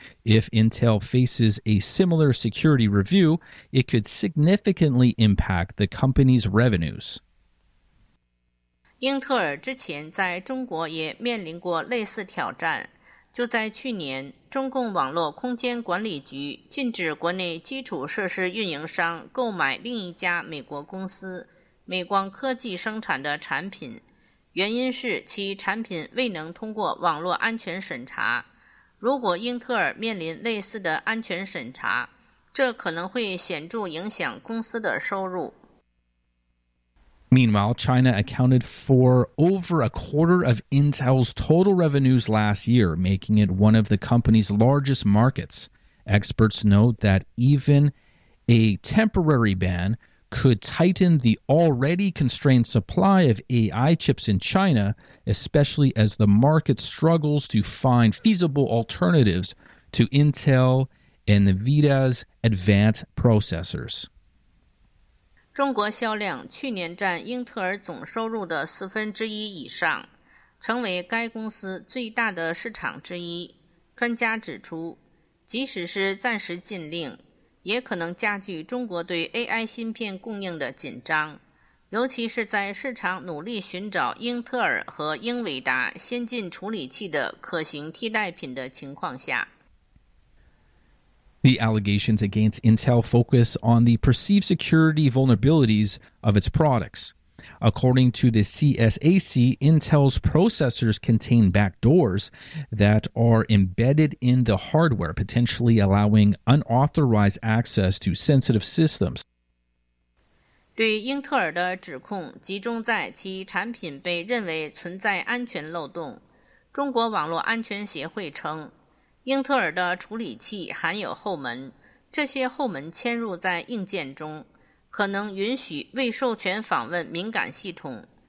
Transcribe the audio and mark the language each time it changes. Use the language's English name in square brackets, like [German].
[English] If Intel faces a similar security review, it could significantly impact the company's revenues. [Chinese] 英特尔之前在中国也面临过类似挑战。就在去年，中共网络空间管理局禁止国内基础设施运营商购买另一家美国公司美光科技生产的产品，原因是其产品未能通过网络安全审查。如果英特尔面临类似的安全审查，这可能会显著影响公司的收入。 [English] Meanwhile, China accounted for over a quarter of Intel's total revenues last year, making it one of the company's largest markets. Experts note that even a temporary ban could tighten the already constrained supply of AI chips in China, especially as the market struggles to find feasible alternatives to Intel and NVIDIA's advanced processors. [Chinese] 中国销量去年占英特尔总收入的四分之一以上，成为该公司最大的市场之一。专家指出，即使是暂时禁令，也可能加剧中国对 AI 芯片供应的紧张，尤其是在市场努力寻找英特尔和英伟达先进处理器的可行替代品的情况下。 [English] The allegations against Intel focus on the perceived security vulnerabilities of its products. According to the CSAC, Intel's processors contain backdoors that are embedded in the hardware, potentially allowing unauthorized access to sensitive systems. [Chinese] 对英特尔的指控集中在其产品被认为存在安全漏洞。中国网络安全协会称，英特尔的处理器含有后门，这些后门嵌入在硬件中，可能允许未授权访问敏感系统。